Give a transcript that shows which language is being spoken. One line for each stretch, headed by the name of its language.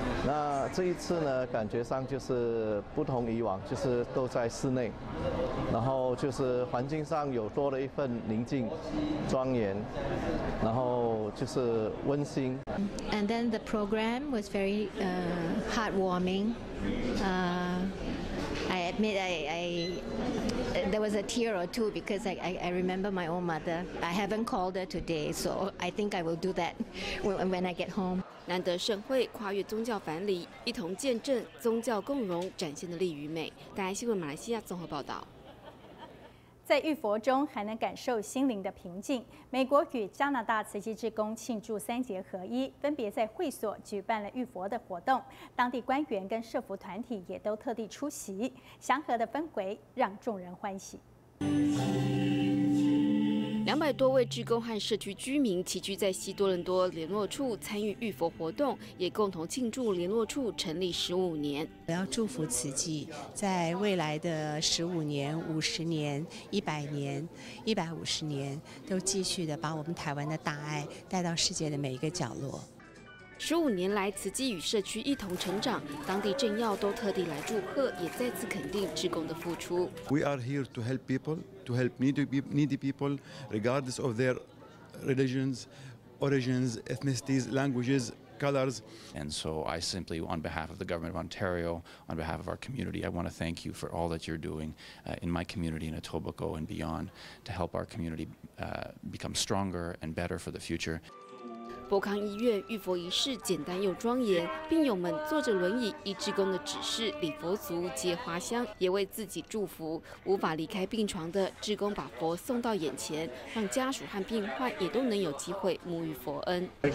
Chinese: 那这一次呢，感觉上就是不同以往，就是都在室内，然后就是环境上有多了一份宁静、庄严，然后就是温馨。
English: And then the program was very heartwarming. I admit there was a tear or two because I remember my own mother. I haven't called her today, so I think I will do that when I get home.
Chinese: 难得盛会，跨越宗教藩篱，一同见证宗教共荣展现的力与美。大爱新闻马来西亚综合报道。在浴佛中还能感受心灵的平静。美国与加拿大慈济志工庆祝三节合一，分别在会所举办了浴佛的活动。当地官员跟社福团体也都特地出席，祥和的氛围让众人欢喜。 200多位志工和社区居民齐聚在西多伦多联络处参与浴佛活动，也共同庆祝联络处成立15年。我要祝福慈济在未来的15年、50年、100年、150年，都继续的把我们台湾的大爱带到世界的每一个角落。 15年来，慈济与社区一同成长，当地政要都特地来祝贺，也再次肯定志工的付出。
English: We are here to help people, to help needy people, regardless of their religions, origins, ethnicities, languages, colors. And so I simply, on behalf of the government of Ontario, on behalf of our community, I want to thank you for all that you're doing in my community in Etobicoke and beyond to help our community become stronger and better for the future.
Chinese: 博康医院浴佛仪式简单又庄严，病友们坐着轮椅，依志工的指示礼佛足、接花香，也为自己祝福。无法离开病床的志工把佛送到眼前，让家属和病患也都能有机会沐浴佛恩。